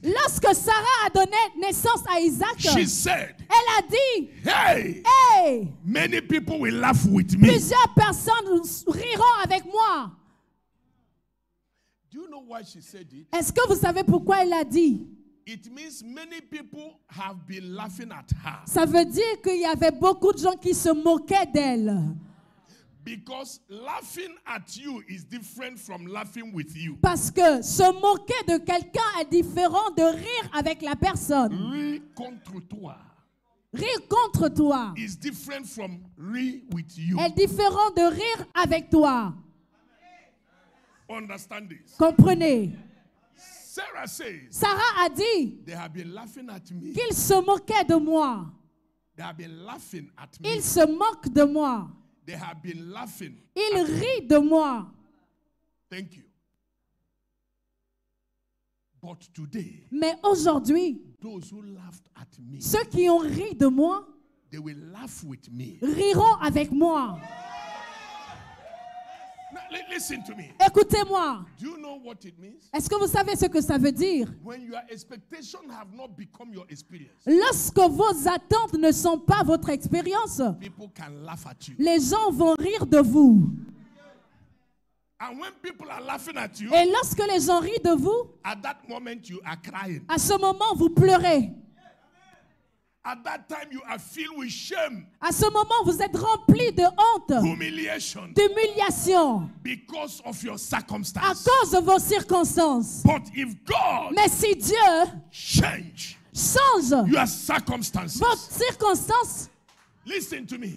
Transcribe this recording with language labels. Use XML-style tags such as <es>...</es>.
<fr>lorsque Sarah a donné naissance à Isaac,</fr> <en>she said,</en> <fr>elle a dit, hey, hey,</fr> <en>many people will laugh with me.</en> <fr>Plusieurs personnes riront avec moi.</fr> <en>Do you know why she said it?</en> <fr>Est-ce que vous savez pourquoi elle a dit?</fr> <en>It means many people have been laughing at her.</en> <fr>Ça veut dire qu'il y avait beaucoup de gens qui se moquaient d'elle.</fr> <en>Because laughing at you is different from laughing with you.</en> <fr>Parce que se moquer de quelqu'un est différent de rire avec la personne. Rire contre toi. Rire contre toi.</fr> <en>Is different from rire with you.</en> <fr>Est différent de rire avec toi.</fr> <en>Understand this.</en> <fr>Comprenez.</fr> <en>Sarah says,</en> <fr>Sarah a dit,</fr> <en>they have been laughing at me.</en> <fr>Qu'ils se moquaient de moi.</fr> <en>They have been laughing at me.</en> <fr>Ils se moquent de moi.</fr> <en>They have been laughing.</en> <fr>Ils rient de moi.</fr> <en>Thank you. But today,</en> <fr>mais aujourd'hui,</fr> <en>those who laughed at me,</en> <fr>ceux qui ont ri de moi,</fr> <en>they will laugh with me.</en> <fr>Riront avec moi.</fr> <en>Listen to me.</en> <fr>Écoutez-moi.</fr> <en>Do you know what it means?</en> <fr>Est-ce que vous savez ce que ça veut dire?</fr> <en>When your expectations have not become your experience.</en> <fr>Lorsque vos attentes ne sont pas votre expérience,</fr> <en>people can laugh at you.</en> <fr>Les gens vont rire de vous.</fr> <en>And when people are laughing at you,</en> <fr>et lorsque les gens rient de vous,</fr> <en>at that moment you are crying.</en> <fr>À ce moment, vous pleurez.</fr> <en>At that time, you are filled with shame.</en> <fr>À ce moment, vous êtes rempli de honte.</fr> <en>Humiliation.</en> <fr>D'humiliation.</fr> <en>Because of your circumstances.</en> <fr>À cause de vos circonstances.</fr> <en>But if God.</en> <fr>Mais si Dieu.</fr> <en>Change.</en> <fr>Change.</fr> <en>Your circumstances.</en> <fr>Vos circonstances.</fr> <en>Listen to me.</en>